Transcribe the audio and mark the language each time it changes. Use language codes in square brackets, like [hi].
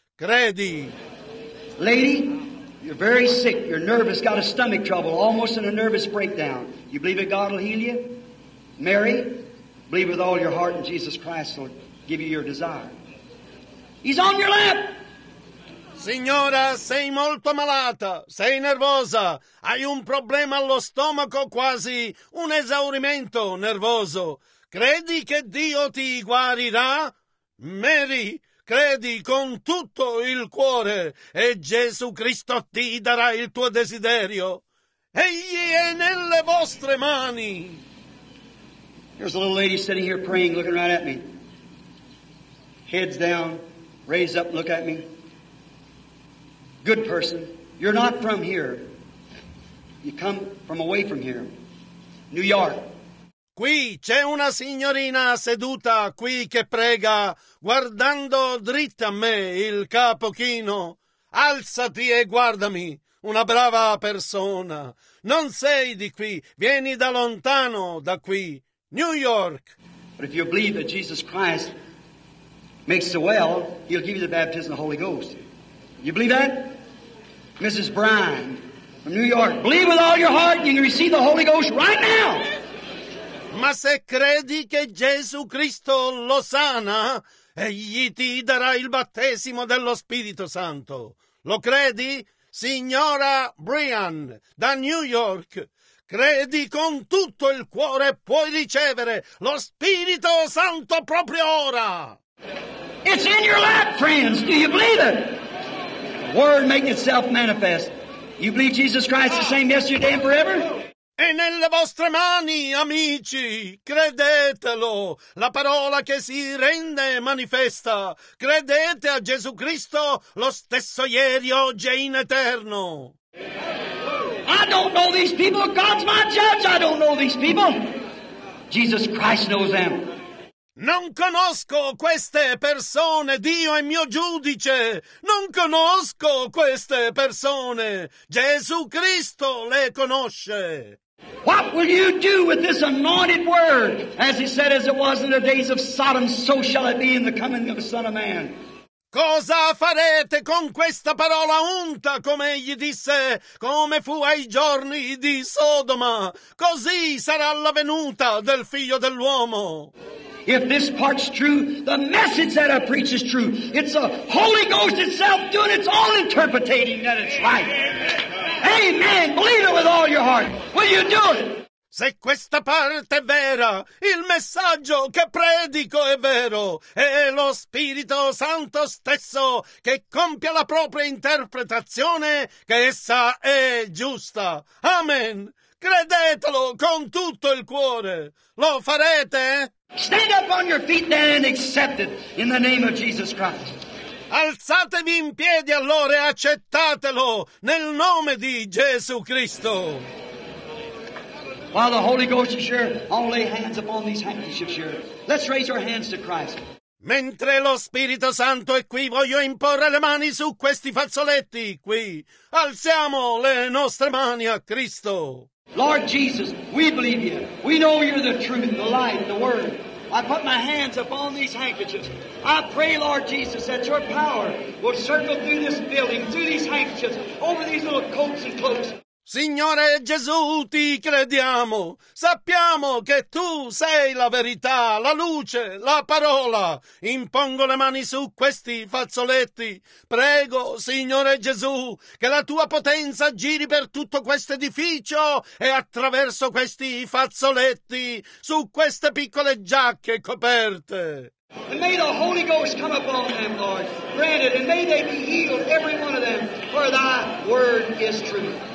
[it] Credi. [en] Lady, you're very sick. You're nervous, got a stomach trouble, almost in a nervous breakdown. You believe that God will heal you? Mary, believe with all your heart in Jesus Christ will give you your desire. He's on your lap! [it] Signora, sei molto malata, sei nervosa, hai un problema allo stomaco, quasi un esaurimento nervoso. Credi che Dio ti guarirà? Mary, credi con tutto il cuore e Gesù Cristo ti darà il tuo desiderio. Egli è nelle vostre mani. [en] Here's a little lady sitting here praying, looking right at me. Heads down, raise up, look at me. Good person, you're not from here. You come from away from here. New York. [it] Qui c'è una signorina seduta qui che prega, guardando dritta a me, il capo chino. Alzati e guardami, una brava persona. Non sei di qui, vieni da lontano, da qui. New York. [en] But if you believe that Jesus Christ makes the well, he'll give you the baptism of the Holy Ghost. You believe that? Mrs. Bryan from New York, believe with all your heart and you can receive the Holy Ghost right now. [it] Ma se credi che Gesù Cristo lo sana, egli ti darà il battesimo dello Spirito Santo. Lo credi? Signora Bryan da New York, credi con tutto il cuore e puoi ricevere lo Spirito Santo proprio ora. [en] It's in your lap, friends. Do you believe it? Word making itself manifest. You believe Jesus Christ the same yesterday and forever? [it] E nelle vostre mani, amici, credetelo. La parola che si rende manifesta. Credete a Gesù Cristo lo stesso ieri, oggi e in eterno. [en] I don't know these people. God's my judge. I don't know these people. Jesus Christ knows them. [it] Non conosco queste persone, Dio è mio giudice. Non conosco queste persone, Gesù Cristo le conosce. [en] What will you do with this anointed word? As he said, as it was in the days of Sodom, so shall it be in the coming of the Son of Man. [it] Cosa farete con questa parola unta, come egli disse, come fu ai giorni di Sodoma? Così sarà la venuta del Figlio dell'uomo. [en] If this part's true, the message that I preach is true. It's the Holy Ghost itself doing its own interpretating that it's right. Amen. Believe it with all your heart. Will you do it? [it] Se questa parte è vera, il messaggio che predico è vero, è lo Spirito Santo stesso che compia la propria interpretazione, che essa è giusta. Amen. Credetelo con tutto il cuore. Lo farete? [en] Stand up on your feet then and accept it in the name of Jesus Christ. [it] Alzatevi in piedi allora e accettatelo nel nome di Gesù Cristo. [en] While the Holy Ghost is here, I'll lay hands upon these handkerchiefs here. Let's raise our hands to Christ. [it] Mentre lo Spirito Santo è qui, voglio imporre le mani su questi fazzoletti qui. Alziamo le nostre mani a Cristo. [en] Lord Jesus, we believe you. We know you're the truth, the light, the word. I put my hands upon these handkerchiefs. I pray, Lord Jesus, that your power will circle through this building, through these handkerchiefs, over these little coats and cloaks. [it] Signore Gesù, ti crediamo. Sappiamo che tu sei la verità, la luce, la parola. Impongo le mani su questi fazzoletti. Prego, Signore Gesù, che la tua potenza giri per tutto questo edificio e attraverso questi fazzoletti, su queste piccole giacche coperte. [en] And may the Holy Ghost come upon them, Lord. Grant it, and may they be healed, every one of them, for thy word is true.